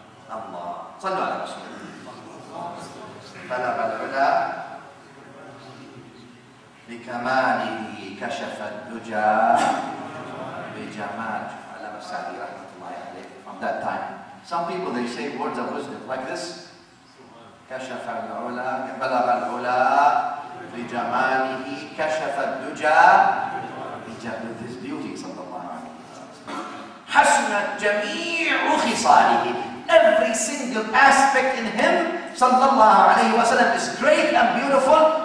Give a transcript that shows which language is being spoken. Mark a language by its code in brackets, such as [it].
[ar] Allah. صلوا على رسول الله. بلى. بكماله كشف الدجى بجمال. علم السعدي رحمة الله عليه. [en] From that time, some people they say words of wisdom like this. [ar] كشف العلا بلغ العلا بجماله كشف الدجى بجمال. [en] This beauty, [ar] صلى الله عليه وسلم. حسنت جميع خصاله. [en] Every single aspect in him, [ar] صلى الله عليه وسلم, [en] is great and beautiful.